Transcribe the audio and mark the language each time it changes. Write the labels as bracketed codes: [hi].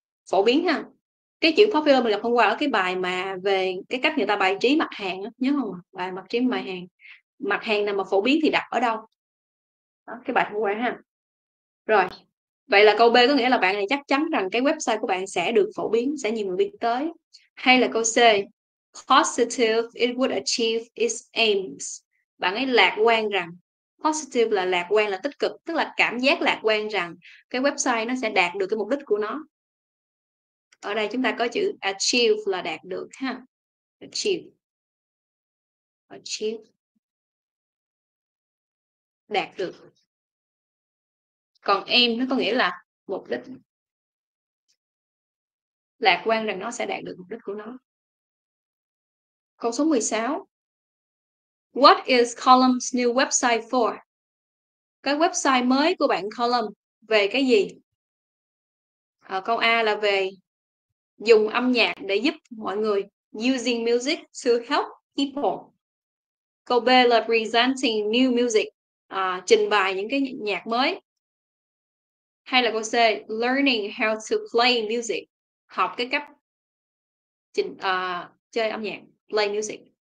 [vi] Phổ biến ha. Cái chữ popular mình gặp hôm qua ở cái bài mà về cái cách người ta bài trí mặt hàng, nhớ không? Bài mặt trí mặt hàng. Mặt hàng nào mà phổ biến thì đặt ở đâu? Đó, cái bài hôm qua ha. Rồi, vậy là câu B có nghĩa là bạn này chắc chắn rằng cái website của bạn sẽ được phổ biến, sẽ nhiều người biết tới. Hay là câu C, [en] positive, it would achieve its aims. [vi] Bạn ấy lạc quan rằng, positive là lạc quan, là tích cực, tức là cảm giác lạc quan rằng cái website nó sẽ đạt được cái mục đích của nó. Ở đây chúng ta có chữ achieve là đạt được ha. Achieve. Achieve. Đạt được. Còn aim nó có nghĩa là mục đích. Lạc quan rằng nó sẽ đạt được mục đích của nó. Câu số 16. [en] What is Column's new website for? [vi] Cái website mới của bạn Column về cái gì? À, câu A là về dùng âm nhạc để giúp mọi người. [en] Using music to help people. [vi] Câu B là [en] presenting new music. [vi] À, trình bày những cái nhạc mới. Hay là câu C, [en] learning how to play music. [vi] Học cái cách chơi âm nhạc, play music.